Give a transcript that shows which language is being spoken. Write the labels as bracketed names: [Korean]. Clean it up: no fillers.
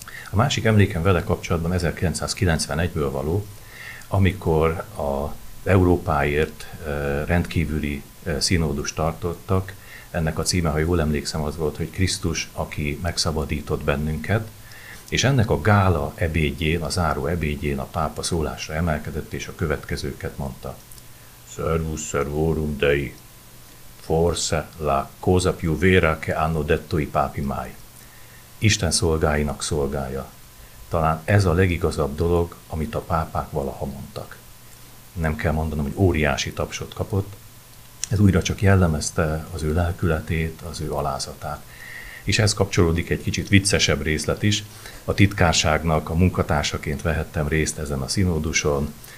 [Hungarian] A másik emlékem vele kapcsolatban 1991-ből való, amikor az Európáért rendkívüli színódus tartottak. Ennek a címe, ha jól emlékszem, az volt, hogy Krisztus, aki megszabadított bennünket, és ennek a gála ebédjén, a záró ebédjén a pápa szólásra emelkedett, és a következőket mondta. [Latin] Servus servorum Dei, [Italian] forse la cosa più vera che hanno detto i papi mai. [Hungarian] Isten szolgáinak szolgálja. Talán ez a legigazabb dolog, amit a pápák valaha mondtak. Nem kell mondanom, hogy óriási tapsot kapott. Ez újra csak jellemezte az ő lelkületét, az ő alázatát. És ez kapcsolódik egy kicsit viccesebb részlet is. A titkárságnak a munkatársaként vehettem részt ezen a szinóduson.